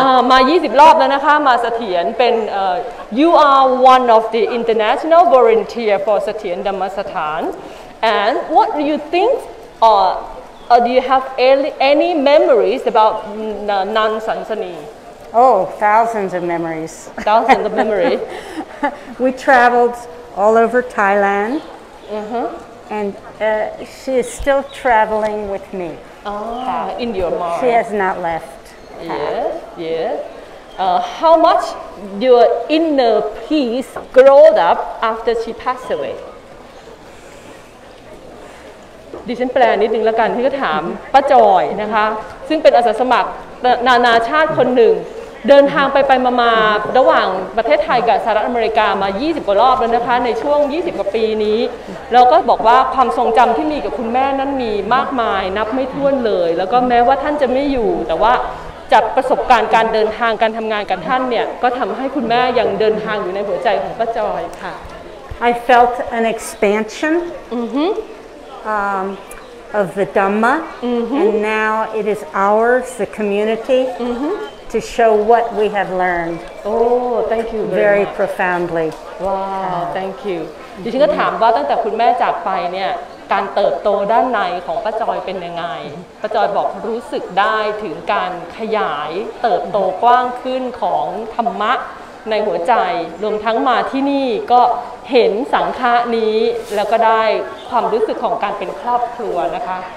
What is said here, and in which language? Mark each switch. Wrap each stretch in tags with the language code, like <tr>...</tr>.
<th>มา20รอบแล้วนะคะมาเสถียรเป็น</th> <en>you are one of the international volunteer for เสถียรธรรมสถาน and what do you think Do you have any memories about Nan Sansani? Oh, thousands of memories. Thousands of memories. We traveled all over Thailand. Mm-hmm. And she is still traveling with me. In your mind. She has not left. Yes, yes. How much your inner peace grew up after she passed away?</en> <th>ดิฉันแปลนิดนึงแล้วกันที่ก็ถามป้าจอยนะคะซึ่งเป็นอาสาสมัครนานาชาติคนหนึ่งเดินทางไปมาระหว่างประเทศไทยกับสหรัฐอเมริกามา20กว่ารอบแล้วนะคะในช่วง20กว่าปีนี้เราก็บอกว่าความทรงจำที่มีกับคุณแม่นั้นมีมากมายนับไม่ถ้วนเลยแล้วก็แม้ว่าท่านจะไม่อยู่แต่ว่าจากประสบการณ์การเดินทางการทำงานกับท่านเนี่ยก็ทำให้คุณแม่ยังเดินทางอยู่ในหัวใจของป้าจอยค่ะ</th> <en>I felt an expansion of the Dhamma and now it is ours, the community to show what we have learned. Oh, thank you very profoundly. Wow, thank you.</en> <th>ดิฉันก็ถามว่าตั้งแต่คุณแม่จากไปเนี่ยการเติบโตด้านในของป้าจอยเป็นยังไงป้าจอยบอกรู้สึกได้ถึงการขยายเติบโตกว้างขึ้นของธรรมะในหัวใจรวมทั้งมาที่นี่ก็เห็นสังฆะนี้แล้วก็ได้ความรู้สึกของการเป็นครอบครัวนะคะ</th>